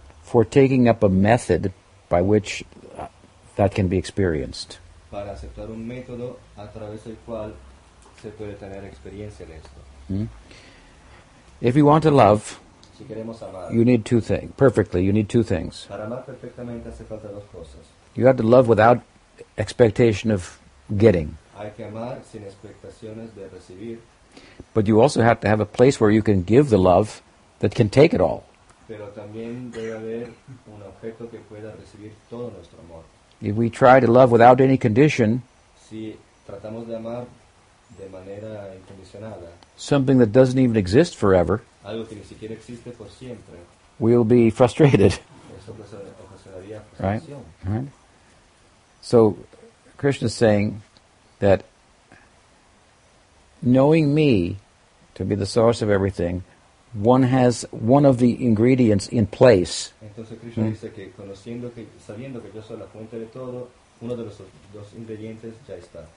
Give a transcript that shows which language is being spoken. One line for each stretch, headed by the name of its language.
English: for taking up a method by which that can be experienced.
Spanish: Para aceptar un método a través del cual se puede tener experiencia en esto.
English: If you want to love,
Spanish: si queremos amar,
English: you need two things. Perfectly, you need two things.
Spanish: Para amar perfectamente hace falta dos cosas.
English: You have to love without expectation of getting.
Spanish: Hay que amar sin expectaciones de recibir.
English: But you also have to have a place where you can give the love that can take it all.
Spanish: Pero también debe haber un objeto que pueda recibir todo nuestro amor.
English: If we try to love without any condition,
Spanish: si tratamos de amar de manera incondicionada,
English: something that doesn't even exist forever,
Spanish: algo que ni siquiera existe por siempre,
English: we'll be frustrated.
Spanish: Eso ocasionaría frustración.
English: Right? So, Krishna is saying that knowing me to be the source of everything, one has one of the ingredients in place.
Spanish: Entonces Krishna dice que conociendo que sabiendo que yo soy la fuente de todo, uno de los dos ingredientes ya está.